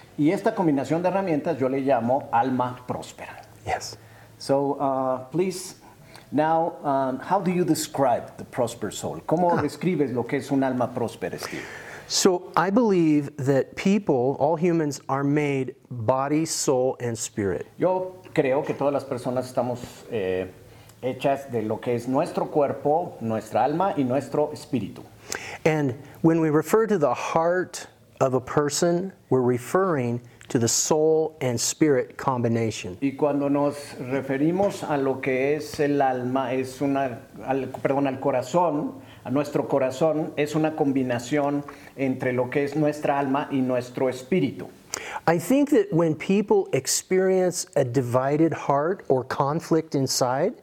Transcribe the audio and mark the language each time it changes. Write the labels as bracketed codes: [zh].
[es] Y esta combinación de herramientas yo le llamo alma próspera. [en] Yes. So please now how do you describe the prosperous soul? [es] ¿Cómo describes lo que es un alma próspera, Steve? [en] So I believe that people, all humans, are made body, soul, and spirit. [es] Yo creo que todas las personas estamos hechas de lo que es nuestro cuerpo, nuestra alma y nuestro espíritu. [en] And when we refer to the heart of a person, we're referring to the soul and spirit combination. [es] Y cuando nos referimos a lo que es el alma, es una, al, perdón, al corazón, a nuestro corazón, es una combinación entre lo que es nuestra alma y nuestro espíritu. [en] I think that when people experience a divided heart or conflict inside.